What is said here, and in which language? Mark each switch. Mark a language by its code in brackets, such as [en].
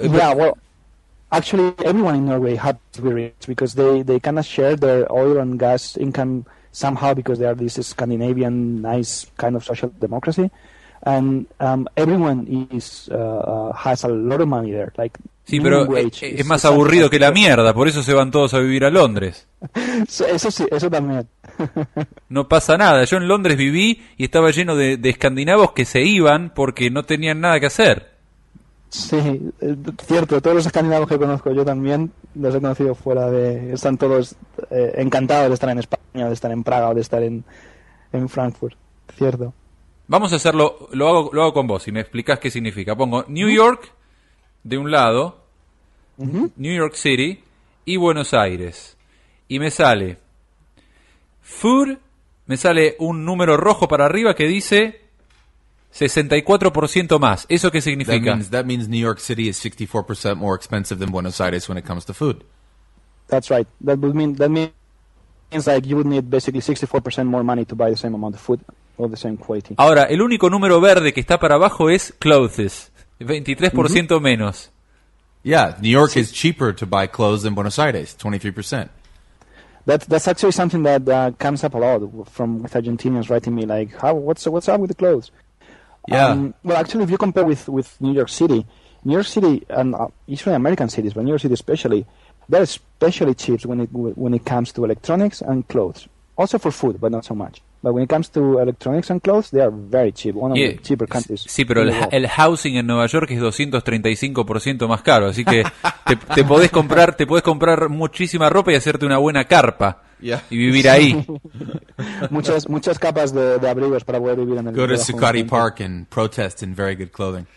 [en] yeah, well, actually, everyone in Norway has to be rich because they kind of share their oil and gas income somehow because they are this Scandinavian nice kind of social democracy, and everyone is has a lot of money there. Like, [es] sí, pero es más aburrido que la mierda, por eso se van todos a vivir a Londres. Eso sí, eso también. No pasa nada. Yo en Londres viví y estaba lleno de escandinavos que se iban porque no tenían nada que hacer. Sí, cierto. Todos los escandinavos que conozco yo también los he conocido fuera de... Están todos encantados de estar en España, de estar en Praga o de estar en Frankfurt. Cierto. Vamos a hacerlo, lo hago con vos y me explicás qué significa. Pongo New York de un lado, New York City y Buenos Aires. Y me sale... food, me sale un número rojo para arriba que dice 64% más. ¿Eso qué significa? [en] That means New York City is 64% more expensive than Buenos Aires when it comes to food. That's right. That means like you would need basically 64% more money to buy the same amount of food or the same quality. [es] Ahora, el único número verde que está para abajo es clothes, 23% mm-hmm. menos. [en] Yeah, New York is cheaper to buy clothes than Buenos Aires, 23%. That's actually something that comes up a lot from with Argentinians writing me like, what's up with the clothes? Yeah. Well, actually, if you compare with New York City and usually American cities, but New York City especially, they're especially cheap when it comes to electronics and clothes. Also for food, but not so much. But when it comes to electronics and clothes, they are very cheap. One of the cheaper countries. [es] Sí, pero el housing en Nueva York es 235% más caro, así que te podés comprar muchísima ropa y hacerte una buena carpa y vivir ahí. muchas capas de abrigos para poder vivir en el. [en] Go to Zuccotti Park and protest in very good clothing.